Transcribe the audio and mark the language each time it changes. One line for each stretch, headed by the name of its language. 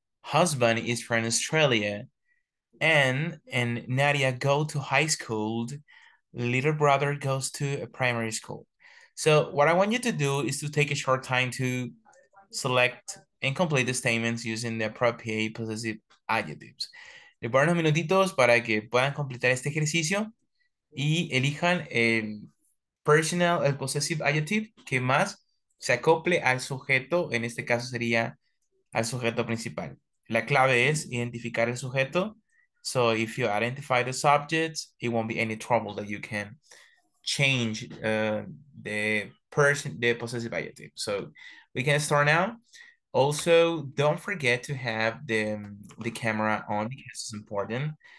English: Husband is from Australia. Anne and Nadia go to high school. Little brother goes to a primary school. So what I want you to do is to take a short time to select and complete the statements using the appropriate possessive adjectives.
Spanish: Le voy a dar unos minutitos para que puedan completar este ejercicio y elijan el personal, el possessive adjective que más se acople al sujeto, en este caso sería al sujeto principal. La clave es identificar el sujeto.
English: So if you identify the subject, it won't be any trouble that you can change the person, the possessive adjective. So we can start now. Also, don't forget to have the camera on because it's important.